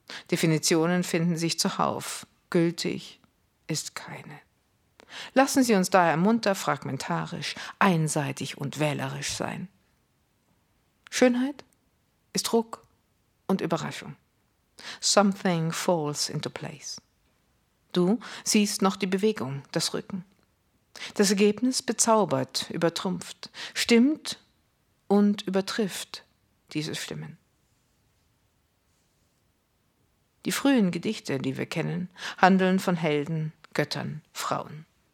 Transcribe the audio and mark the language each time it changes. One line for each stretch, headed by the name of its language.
German: Definitionen finden sich zuhauf, gültig ist keine. Lassen Sie uns daher munter, fragmentarisch, einseitig und wählerisch sein. Schönheit ist Ruck und Überraschung.
English: Something falls into place.
German: Du siehst noch die Bewegung, das Rücken. Das Ergebnis bezaubert, übertrumpft, stimmt und übertrifft dieses Stimmen. Die frühen Gedichte, die wir kennen, handeln von Helden, Göttern, Frauen.